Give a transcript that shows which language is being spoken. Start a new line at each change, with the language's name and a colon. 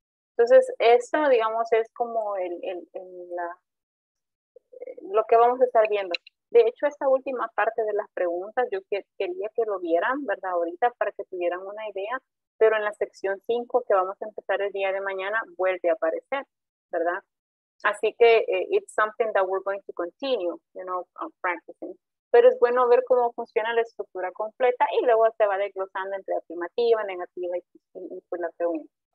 Spanish: Entonces, esto, digamos, es como lo que vamos a estar viendo. De hecho, esta última parte de las preguntas, yo quería que lo vieran, ¿verdad? Ahorita, para que tuvieran una idea. Pero en la sección 5, que vamos a empezar el día de mañana, vuelve a aparecer, ¿verdad? Así que
English: it's something that we're going to continue, you know, practicing.
Spanish: Pero es bueno ver cómo funciona la estructura completa y luego se va desglosando entre afirmativa, negativa y pues la pregunta.